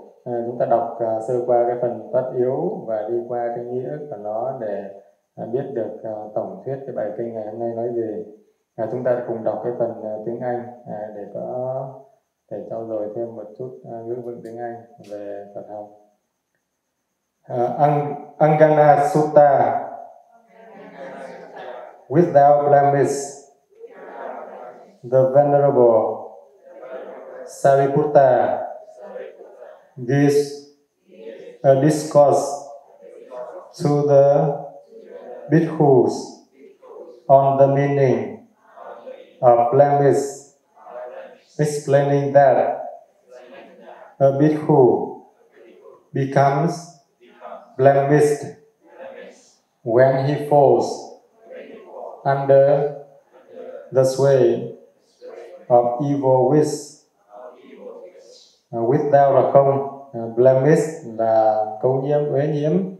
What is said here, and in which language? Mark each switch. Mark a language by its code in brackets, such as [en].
[vi] Chúng ta đọc sơ qua cái phần phát yếu và đi qua cái nghĩa của nó để biết được tổng thuyết cái bài kinh ngày hôm nay nói gì. Chúng ta cùng đọc cái phần tiếng Anh để có thể trao dồi thêm một chút ngữ vựng tiếng Anh về Phật học. [en] Angana Sutta, without blemish, the Venerable Sariputta gives a discourse to the bhikkhus on the meaning of blemish, explaining that a bhikkhu becomes blemished when he falls under the sway of evil wish. [vi] Without là không, blemished là cấu nhiễm, uế nhiễm.